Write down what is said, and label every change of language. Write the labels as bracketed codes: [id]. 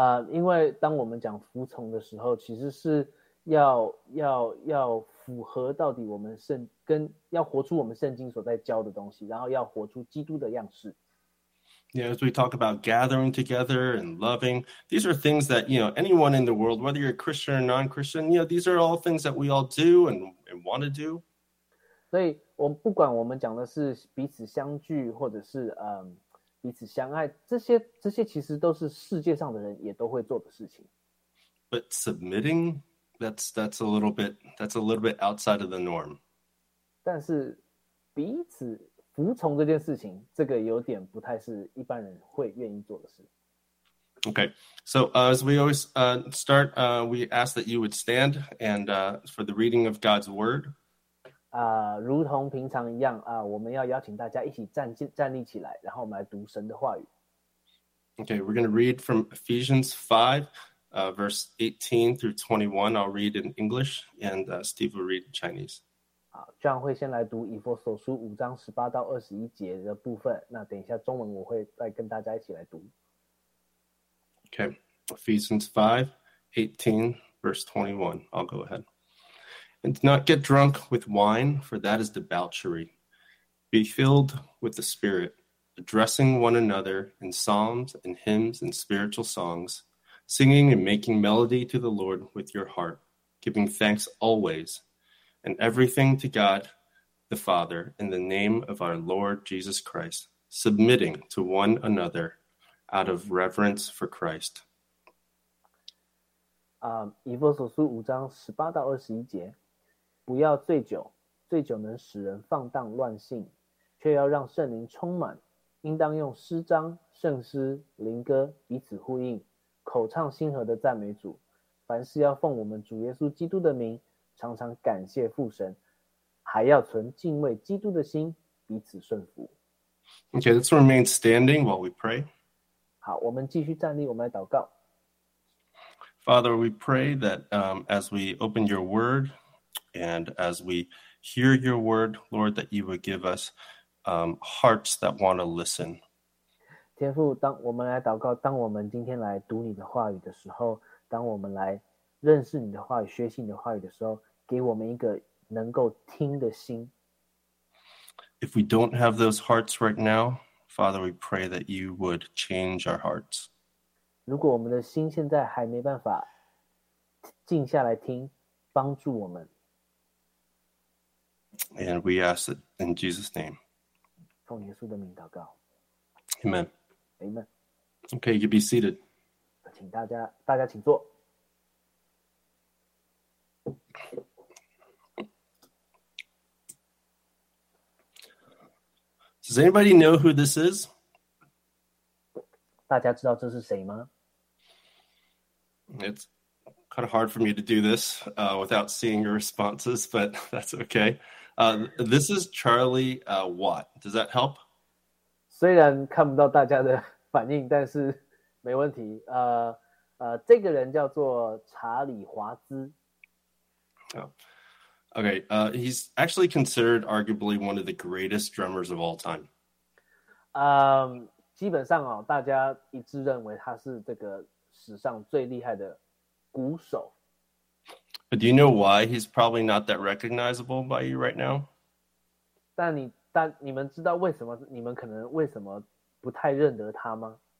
[zh] 因为当我们讲服从的时候，其实是要符合到底我们要活出我们圣经所在教的东西，然后要活出基督的样式。 [en] Yeah, as we talk about gathering together and loving, these are things that, you know, anyone in the world, whether you're a Christian or non-Christian, you know, these are all things that we all do and want to do. [zh] 所以我不管我们讲的是彼此相聚或者是彼此相爱，这些其实都是世界上的人也都会做的事情。 [en] But submitting, that's a little bit outside of the norm. [zh] 但是彼此服从这件事情，这个有点不太是一般人会愿意做的事。 [en] Okay, so as we always start, we ask that you would stand and for the reading of God's word. 如同平常一样我们要邀请大家一起站立起来，然后我们来读神的话语。 Okay, we're going to read from Ephesians 5, verse 18 through 21. I'll read in English and Steve will read in Chinese. [zh] 这样会先来读以弗所书五章十八到二十一节的部分，那等一下中文我会再跟大家一起来读。 [en] Okay, Ephesians 5, 18, verse 21. I'll go ahead. And do not get drunk with wine, for that is debauchery. Be filled with the Spirit, addressing one another in psalms and hymns and spiritual songs, singing and making melody to the Lord with your heart, giving thanks always and everything to God the Father in the name of our Lord Jesus Christ, submitting to one another, out of reverence for Christ. [zh] 以弗所书五章十八到二十一节，不要醉酒，醉酒能使人放荡乱性，却要让圣灵充满，应当用诗章、圣诗、灵歌彼此呼应，口唱心和的赞美主。凡事要奉我们主耶稣基督的名，常常感谢父神，还要存敬畏基督的心，彼此顺服。 [en] Okay, let's remain standing while we pray. [zh] 好，我们继续站立，我们来祷告。 [en] Father, we pray that as we open your word and as we hear your word, Lord, that you would give us hearts that want to listen. [zh] 天父，当我们来祷告，当我们今天来读你的话语的时候，当我们来认识你的话语、学习你的话语的时候，给我们一个能够听的心。 [en] If we don't have those hearts right now,Father, we pray that you would change our hearts. [zh] 如果我们的心现在还没办法静下来听，帮助我们。 [en] And we ask it in Jesus' name. [zh] 奉耶稣的名祷告。 [en] Amen. Amen. Okay, you can be seated. [zh] 请大家请坐。 [en] Does anybody know who this is? [zh] 大家知道这是谁吗？ [en] It's kind of hard for me to do this without seeing your responses, but that's okay. This is Charlie Watt. Does that help? [zh] 虽然看不到大家的反应，但是没问题。这个人叫做查理·华兹。 [en] Okay, he's actually considered arguably one of the greatest drummers of all time. [zh] 基本上哦，大家一致认为他是这个史上最厉害的鼓手。 [en] But do you know why he's probably not that recognizable by you right now? [zh] 但你们知道为什么，你们可能为什么不太认得他吗？